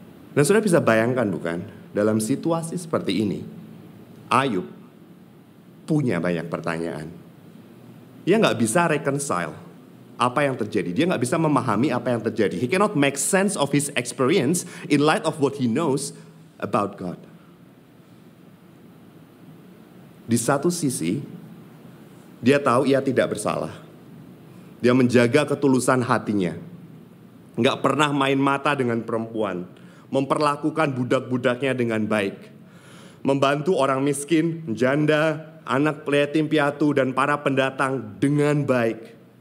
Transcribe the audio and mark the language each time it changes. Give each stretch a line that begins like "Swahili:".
Indonesian: Dan sudah bisa bayangkan, bukan? Dalam situasi seperti ini, Ayub punya banyak pertanyaan. Dia gak bisa reconcile apa yang terjadi. Dia gak bisa memahami apa yang terjadi.
English: He cannot make sense of his experience in light of what he knows about God.
Indonesian: Di satu sisi, dia tahu ia tidak bersalah. Dia menjaga ketulusan hatinya. Gak pernah main mata dengan perempuan. Memperlakukan budak-budaknya dengan baik. Membantu orang miskin, janda, anak yatim piatu, dan para pendatang dengan baik.